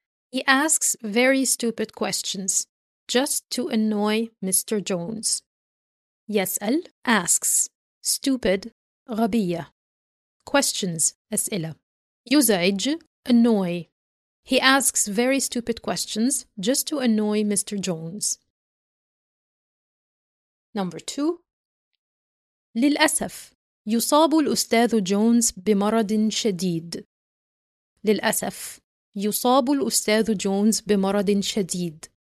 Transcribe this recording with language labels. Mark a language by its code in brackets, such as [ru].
[en] He asks very stupid questions just to annoy Mr. Jones. [ar] يسأل asks stupid غبية questions أسئلة يزعج annoy. [en] He asks very stupid questions just to annoy Mr. Jones. Number two. [ar] للأسف يصاب الأستاذ جونز بمرض شديد. للأسف يصاب الأستاذ جونز بمرض شديد.